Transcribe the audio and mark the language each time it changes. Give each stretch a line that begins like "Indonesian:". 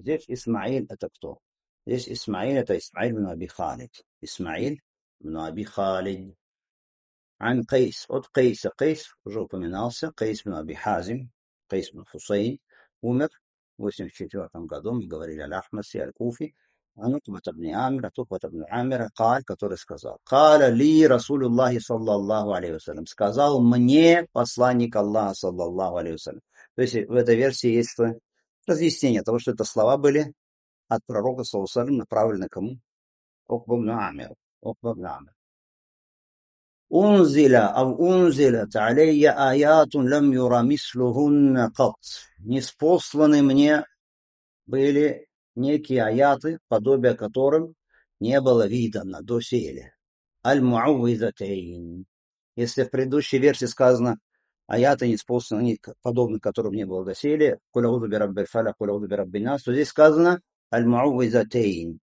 Russian: Здесь Исмаил это кто? Здесь Исмаил это Исмаил бин Аби Халид. Исмаил бин Аби Халид. Ан Кейс, от Кейса. Кейс уже упоминался, Кейс бин Аби Хазим, Кейс бин Хусейн, умер в 84 году, мы говорили Аль-Ахмаси, Аль-Куфи.
Arabic: عن عقبة بن عامر عقبة بن عامر قال
Russian: который сказал
Arabic: قال لي رسول الله صلى الله عليه وسلم
Russian: сказал мне посланник Аллаха
Arabic: صلى الله عليه وسلم.
Russian: То есть в этой версии есть то разъяснение того, что это слова были от пророка
Arabic: صلى الله عليه وسلم,
Russian: направлены кому?
Arabic: عقبة بن عامر. عقبة بن عامر أنزل أو أنزلت علي آيات لم يرى مثلهن قط.
Russian: Ниспосланы мне были некие аяты, подобие которым не было видано до сели. Аль-Муавизатейн. Если в предыдущей версии сказано аяты неспосланы, подобные которым не было до сели, то здесь сказано Аль-Муавизатейн.